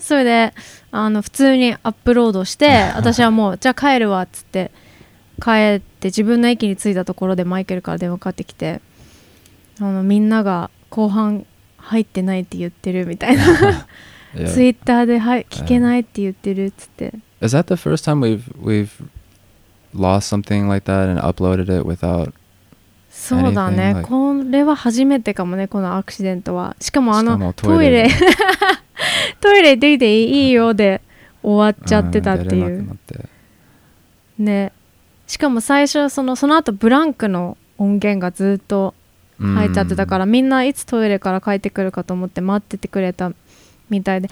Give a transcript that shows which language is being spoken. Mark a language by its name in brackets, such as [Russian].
[Japanese] それであの普通にアップロードして、私はもうじゃあ帰るわっつって帰って自分の駅に着いたところでマイケルから電話かかってきて、あのみんなが後半入ってないって言ってるみたいな。 Twitter で聞けないって言ってるっつって。 [English] Is that the first time we've lost something like that and uploaded it without [Japanese] そうだね、 [English] like、 [Japanese] これは初めてかもね、このアクシデントは。しかもあのもトイレトイレ出ていいようで終わっちゃってたっていう、出れなくなってね。しかも最初その後ブランクの音源がずっと入っちゃってたから、みんないつトイレから帰ってくるかと思って待っててくれたみたいで、